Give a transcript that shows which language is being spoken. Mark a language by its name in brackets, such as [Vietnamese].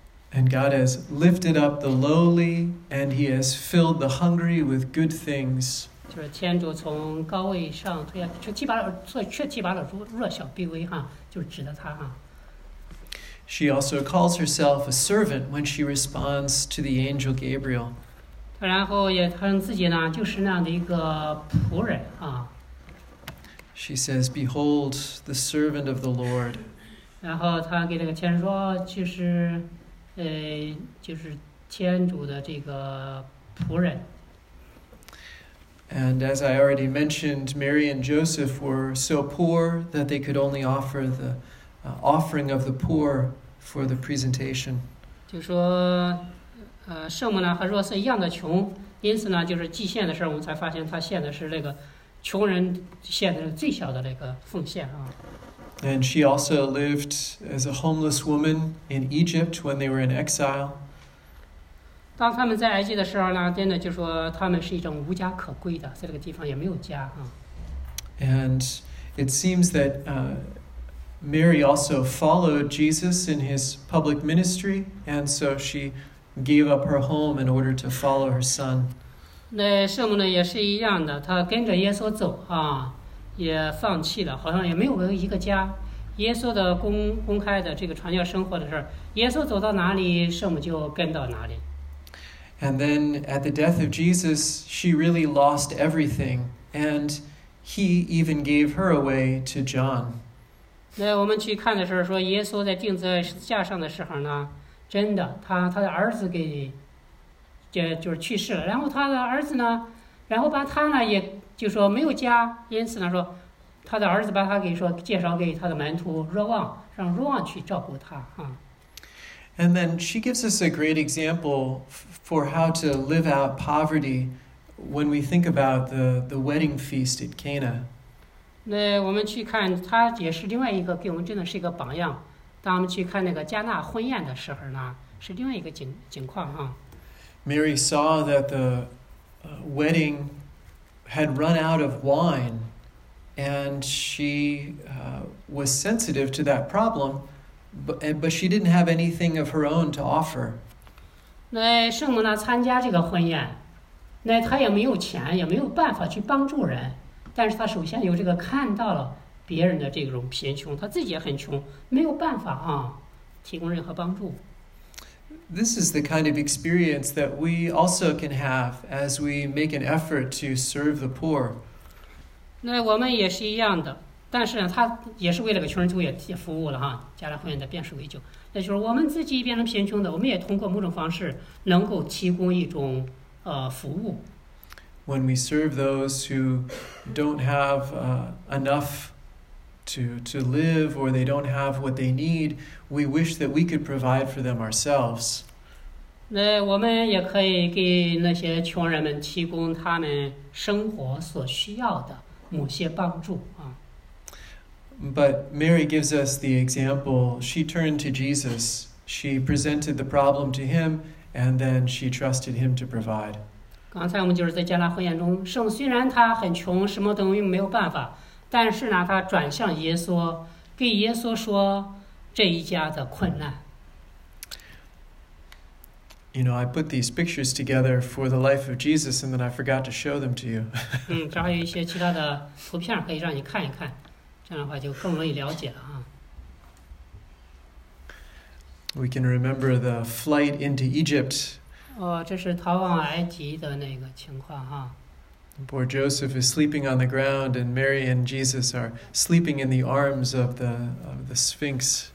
[English] And God has lifted up the lowly, and he has filled the hungry with good things. [Chinese] 就是天主从高位上推下，却提拔了弱小卑微哈，就是指的他哈。 [English] She also calls herself a servant when she responds to the angel Gabriel. [Chinese] 然后也称自己呢，就是那样的一个仆人啊。 [English] She says, "Behold, the servant of the Lord." [Chinese] 然后他给这个天主说，就是天主的这个仆人。 [English] And as I already mentioned, Mary and Joseph were so poor that they could only offer the offering of the poor for the presentation. [Chinese] 就说，圣母呢和若瑟一样的穷，因此呢就是祭献的事儿，我们才发现他献的是那个穷人献的最小的那个奉献啊。 [English] And she also lived as a homeless woman in Egypt when they were in exile. [Chinese] 当他们在埃及的时候呢，真的就说他们是一种无家可归的，在这个地方也没有家啊。 [English] And it seems that Mary also followed Jesus in his public ministry, and so she gave up her home in order to follow her son. [Chinese] 那圣母呢也是一样的，她跟着耶稣走啊，也放弃了，好像也没有一个家。耶稣的公开的这个传教生活的事儿，耶稣走到哪里，圣母就跟到哪里。 [English] And then at the death of Jesus, she really lost everything, and he even gave her away to John. [Chinese] 那我们去看的时候说，耶稣在钉在十字架上的时候呢，真的，他的儿子给，就是去世了。然后他的儿子呢，然后把他呢，也就说没有家，因此呢说，他的儿子把他给说介绍给他的门徒若望，让若望去照顾他啊。 [English] And then she gives us a great example for how to live out poverty when we think about the wedding feast at Cana. [Chinese] 那我们去看，她也是另外一个给我们真的是一个榜样。当我们去看那个加纳婚宴的时候呢，是另外一个情况啊。 [English] Mary saw that the wedding had run out of wine, and she was sensitive to that problem. But she didn't have anything of her own to offer. [Chinese] 那圣母呢参加这个婚宴，那她也没有钱，也没有办法去帮助人。但是她首先有这个看到了别人的这种贫穷，她自己也很穷，没有办法啊，提供任何帮助。 [English] This is the kind of experience that we also can have as we make an effort to serve the poor. [Chinese] 那我们也是一样的。但是呢，他也是为了个穷人就业也服务了哈，加拿大婚宴的变数为九，那就是我们自己变成贫穷的，我们也通过某种方式能够提供一种服务。 [English] When we serve those who don't have enough to live or they don't have what they need, we wish that we could provide for them ourselves. [Chinese] 那我们也可以给那些穷人们提供他们生活所需要的某些帮助啊。 [English] But Mary gives us the example. She turned to Jesus. She presented the problem to him, and then she trusted him to provide. [Chinese] 刚才我们就是在加拉会言中，圣虽然他很穷，什么东西没有办法，但是呢，他转向耶稣，给耶稣说这一家的困难。 [English] You know, I put these pictures together for the life of Jesus, and then I forgot to show them to you. [Chinese] 嗯，这还有一些其他的图片可以让你看一看，这样的话就更容易了解了啊。 [English] We can remember the flight into Egypt. [Chinese] 哦，这是逃往埃及的那个情况哈。 [English] Poor Joseph is sleeping on the ground, and Mary and Jesus are sleeping in the arms of the Sphinx.